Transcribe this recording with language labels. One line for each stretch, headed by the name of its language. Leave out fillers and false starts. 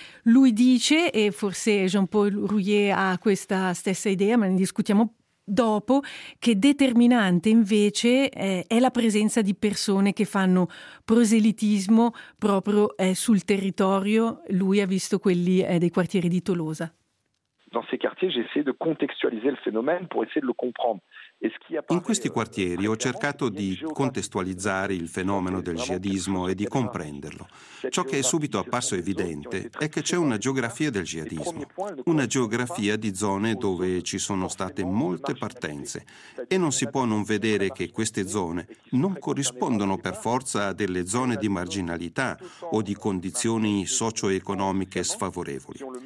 Italian: Lui dice, e forse Jean-Paul Rouillet ha questa stessa idea, ma discutiamo dopo, che determinante invece è la presenza di persone che fanno proselitismo proprio sul territorio. Lui ha visto quelli dei quartieri di Tolosa.
French: Dans ces quartiers, j'essaie de contextualiser le phénomène pour essayer de le comprendre.
Italian: In questi quartieri ho cercato di contestualizzare il fenomeno del jihadismo e di comprenderlo. Ciò che è subito apparso evidente è che c'è una geografia del jihadismo, una geografia di zone dove ci sono state molte partenze e non si può non vedere che queste zone non corrispondono per forza a delle zone di marginalità o di condizioni socio-economiche sfavorevoli.